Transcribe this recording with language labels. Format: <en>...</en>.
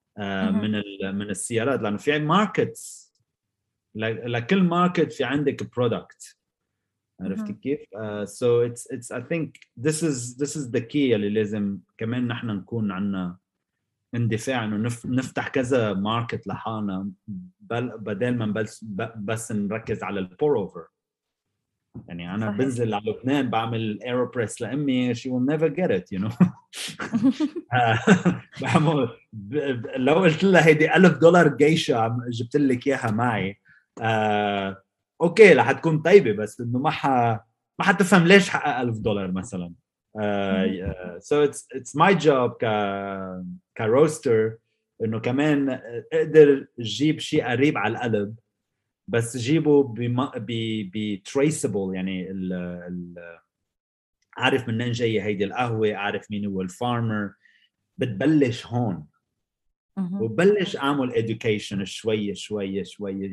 <ar>من السيارات، لأنه في ماركتس لكل ماركت في عندك برودكت، عرفت كيف؟</ar> <en>so it's I think this is the key</en> <ar>اللي لازم كمان نحن نكون عنا اندفاع إنه نفتح كذا ماركت لحالنا بدل ما بس نركز على البور أوفر. يعني أنا صحيح. بنزل على لبنان بعمل ايروبريس لأمي،</ar> <en>she will never get it you know.</en> <ar>بعمل لو قلت لها هيدي $1,000 جيشة جبت لك إياها معي، أوكي لح تكون طيبة، بس إنه ما حتفهم ليش حقق $1,000 مثلا.</ar> <en>So it's my job</en> <ar>ك roaster إنه كمان أقدر أجيب شيء قريب على القلب، بس جيبه ب traceable، يعني عارف منين جاي هيدي القهوة، عارف مين هو الفارمر، بتبلش هون وبلش أعمل education شوية شوية شوية.</ar>